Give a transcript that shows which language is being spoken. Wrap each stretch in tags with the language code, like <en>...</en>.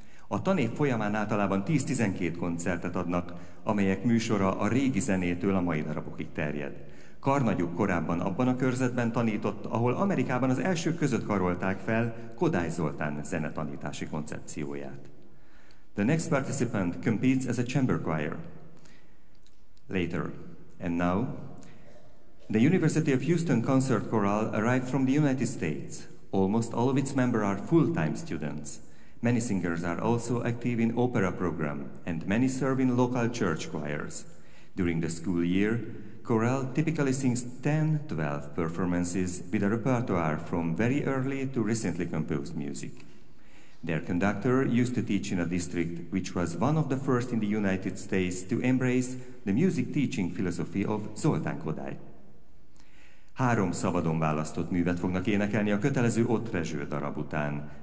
<hu>A tanév folyamán általában 10-12 koncertet adnak, amelyek műsora a régi zenétől a mai darabokig terjed. Karnagyuk korábban abban a körzetben tanított, ahol Amerikában az elsők között karolták fel Kodály Zoltán zenetanítási koncepcióját.</hu> <en>The next participant competes as a chamber choir later. And now, the University of Houston Concert Choral arrived from the United States. Almost all of its members are full-time students. Many singers are also active in opera program, and many serve in local church choirs. During the school year, Chorale typically sings 10-12 performances with a repertoire from very early to recently composed music. Their conductor used to teach in a district which was one of the first in the United States to embrace the music teaching philosophy of Zoltán Kodály.</en> <hu>Három szabadon választott művet fognak énekelni a kötelező Ott Rezső darab után.</hu>